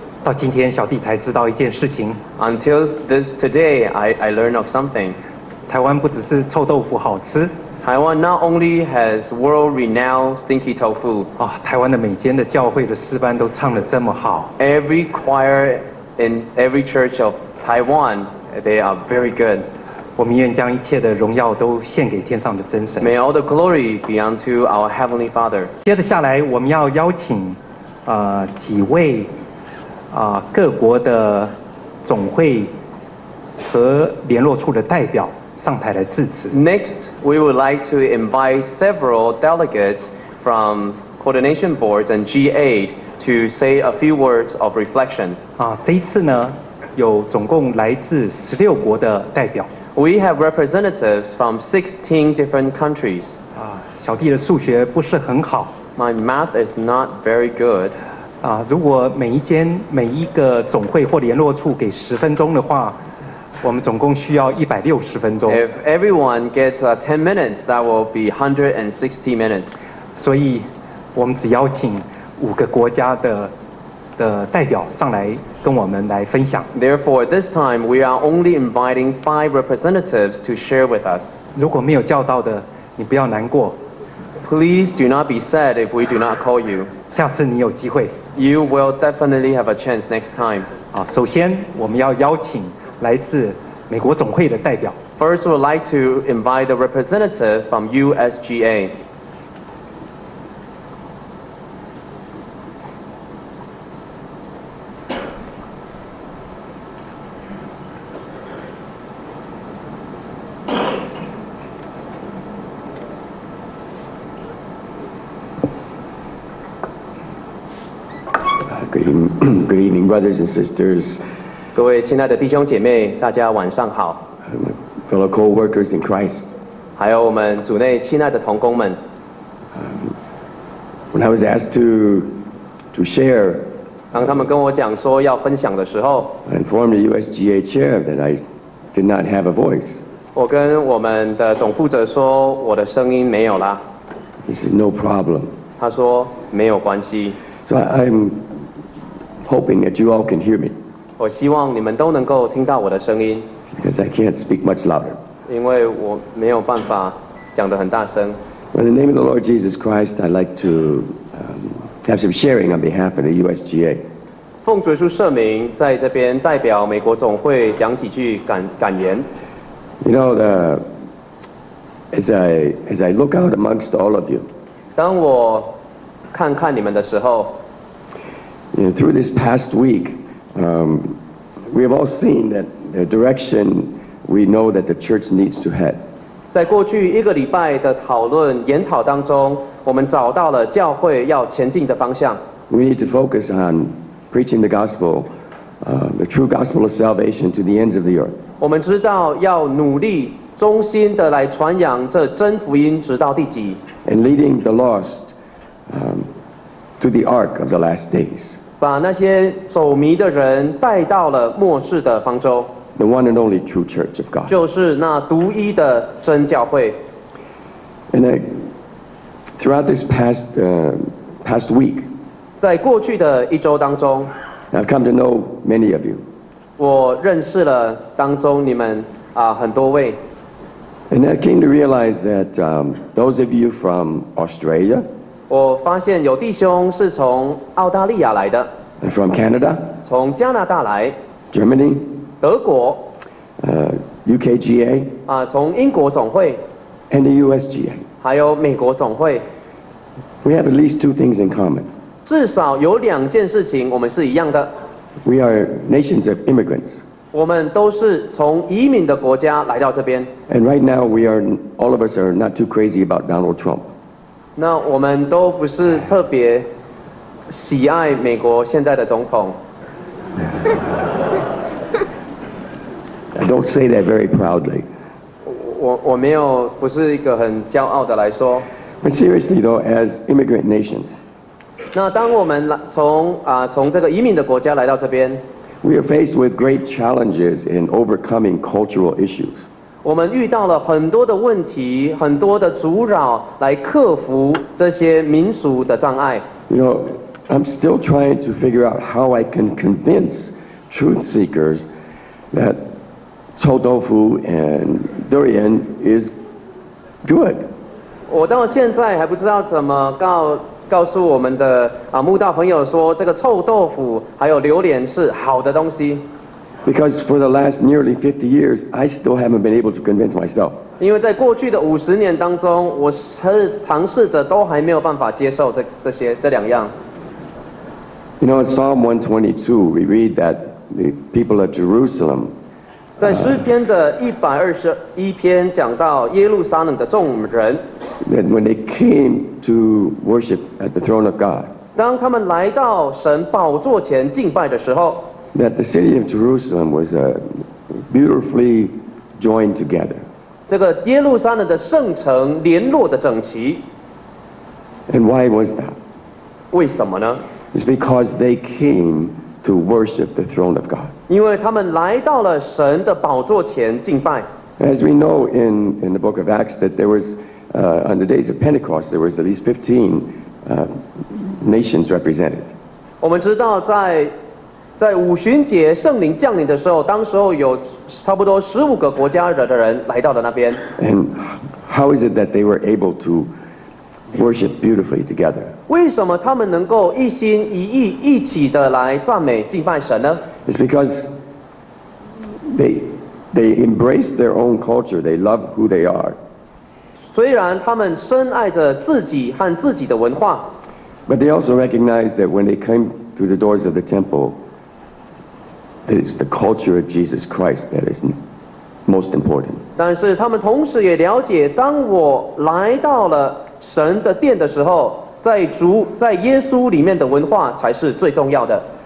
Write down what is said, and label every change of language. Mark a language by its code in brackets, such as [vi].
[zh] 到今天，小弟才知道一件事情。 [en] Until this today, I learned of something. [zh] 台湾不只是臭豆腐好吃。 [en] Taiwan not only has world-renowned stinky tofu. [zh] 啊，台湾的每间的教会的诗班都唱得这么好。 [en] Every choir in every church of Taiwan, they are very good. [zh] 我们愿将一切的荣耀都献给天上的真神。 [en] May all the glory be unto our heavenly Father. [zh] 接着下来，我们要邀请，几位，各国的总会和联络处的代表上台来致辞。 [en] Next, we would like to invite several delegates from coordination boards and G8 to say a few words of reflection. [zh] 啊，这一次呢，有总共来自16国的代表。 [en] We have representatives from 16 different countries. [zh] 啊，小弟的数学不是很好。 [en] My math is not very good. [zh] 啊，如果每一个总会或联络处给十分钟的话，我们总共需要160分钟。 [en] If everyone gets 10 minutes, that will be 160 minutes. [zh] 所以，我们只邀请五个国家的代表上来跟我们来分享。 [en] Therefore, this time we are only inviting 5 representatives to share with us. [zh] 如果没有叫到的，你不要难过。 [en] Please do not be sad if we do not call you. [zh] 下次你有机会。 [en] You will definitely have a chance next time. [zh] 首先我们要邀请来自美国总会的代表。 [en] First, we'd like to invite the representative from USGA. Brothers and sisters, [zh] 各位亲爱的弟兄姐妹，大家晚上好。 [en] Fellow co-workers in Christ, [zh] 还有我们主内亲爱的同工们。 [en] When I was asked to share, [zh] 当他们跟我讲说要分享的时候 [en] ，I informed the USGA chair that I did not have a voice. [zh] 我跟我们的总负责说我的声音没有了。 [en] He said, "No problem." [zh] 他说没有关系。 [en] So I'm. Hoping that you all can hear me. [zh] 我希望你们都能够听到我的声音。 [en] Because I can't speak much louder. [zh] 因为我没有办法讲得很大声。 [en] In the name of the Lord Jesus Christ, I'd like to have some sharing on behalf of the USGA. [zh] 奉主耶稣圣名，在这边代表美国总会讲几句感言。 [en] You know, as I look out amongst all of you. [zh] 当我看你们的时候。 [en] You know, through this past week, we have all seen that the direction we know that the church needs to head. [zh] 在过去一个礼拜的讨论研讨当中，我们找到了教会要前进的方向。 [en] We need to focus on preaching the gospel, the true gospel of salvation to the ends of the earth. [zh] 我们知道要努力忠心的来传扬这真福音直到地极。 [en] And leading the lost, to the ark of the last days. [zh] 把那些走迷的人带到了末世的方舟。 [en] The one and only true church of God. [zh] 就是那独一的真教会。 [en] And throughout this past week, [zh] 在过去的一周当中 [en] I've come to know many of you. [zh] 我认识了当中你们很多位。 [en] And I came to realize that those of you from Australia, [zh] 我发现有弟兄是从澳大利亚来的 [en] ，from Canada， [zh] 从加拿大来 [en] ，Germany， [zh] 德国 [en] ，UKGA， [zh] 从英国总会 [en] ，and the USGA， [zh] 还有美国总会。 [en] We have at least two things in common。 [zh] 至少有两件事情我们是一样的。 [en] We are nations of immigrants。 [zh] 我们都是从移民的国家来到这边。 [en] And right now we are all of us are not too crazy about Donald Trump。 [zh] 那我们都不是特别喜爱美国现在的总统。 [en] I don't say that very proudly. [zh] 我没有不是一个很骄傲的来说。 [en] But seriously though, as immigrant nations, [zh] 那当我们从这个移民的国家来到这边 [en] ，We are faced with great challenges in overcoming cultural issues. [zh] 我们遇到了很多的问题，很多的阻扰，来克服这些民俗的障碍。 [en] You know, I'm still trying to figure out how I can convince truth seekers that 臭豆腐 and durian is good. [zh] 我到现在还不知道怎么告诉我们的慕道朋友说这个臭豆腐还有榴莲是好的东西。 [en] Because for the last nearly 50 years, I still haven't been able to convince myself. [zh] 因为在过去的50年当中，我尝试着都还没有办法接受这两样。 [en] You know, in Psalm 122, we read that the people of Jerusalem. [zh] 在诗篇的121篇讲到耶路撒冷的众人。 [en] That when they came to worship at the throne of God. [zh] 当他们来到神宝座前敬拜的时候。 [en] That the city of Jerusalem was beautifully joined together. [zh] 这个耶路撒冷的圣城联络的整齐。 [en] And why was that? [zh] 为什么呢？ [en] It's because they came to worship the throne of God. [zh] 因为他们来到了神的宝座前敬拜。 [en] As we know in the book of Acts that there was on the days of Pentecost there was at least 15 nations represented. [zh] 我们知道在五旬节圣灵降临的时候，当时候有差不多15个国家的人来到了那边。 [en] And how is it that they were able to worship beautifully together? [zh] 为什么他们能够一心一意一起的来赞美敬拜神呢？ [en] It's because they embraced their own culture. They love who they are. [zh] 虽然他们深爱着自己和自己的文化。 [en] But they also recognize that when they came through the doors of the temple,It is the culture of Jesus Christ that is most important. [zh] 但是他们同时也了解，当我来到了神的殿的时候，在耶稣里面的文化才是最重要的。